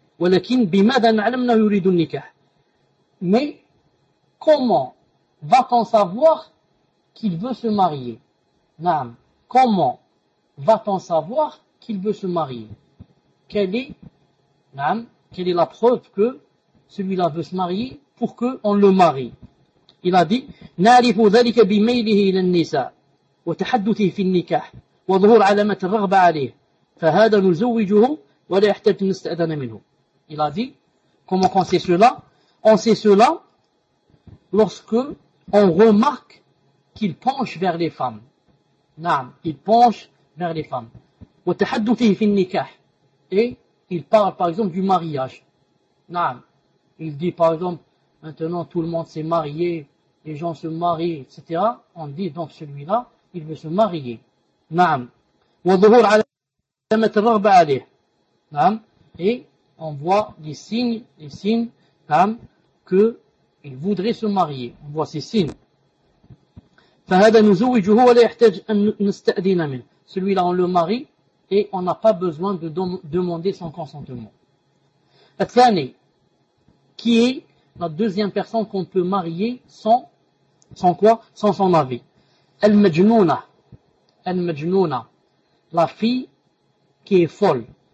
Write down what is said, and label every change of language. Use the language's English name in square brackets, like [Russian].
[Arabic] وَلَكِنْ بِمَذَا نَعْلَمْنَا يُرِدُ النِّكَحِ [French] Mais, comment va-t-on savoir qu'il veut se marier? Naam. Comment va-t-on savoir qu'il veut se marier? Quelle est la preuve que celui-là veut se marier pour qu'on le marie? Il a dit, [Arabic] نعرف ذلك بميله إلى النساء وتحدثه في النكاح وظهور علامة الرغبة عليه فهذا نزوجه ولا يحتاج نستأذن منه. [French] Il a dit, comment on sait cela? On sait cela lorsque on remarque qu'il penche vers les femmes. نعم, il penche vers les femmes. [Arabic] وتحدثه في النكاح. [French] Et il parle par exemple du mariage. نعم, il dit par exemple, maintenant tout le monde s'est marié, les gens se marient, etc. On dit donc celui-là, il veut se marier. Naam. [Arabic] وظهور علامة الرغبة عليه. Naam. [French] Et on voit les signes, naam, que il voudrait se marier. On voit ces signes. [Arabic] فهذا نزوجه ولا يحتاج أن نستأذن منه. [French] Celui-là, on le marie et on n'a pas besoin de demander son consentement. الثاني qui est la deuxième personne qu'on peut marier sans quoi? Sans son avis. El-Majnouna. La fille qui est folle.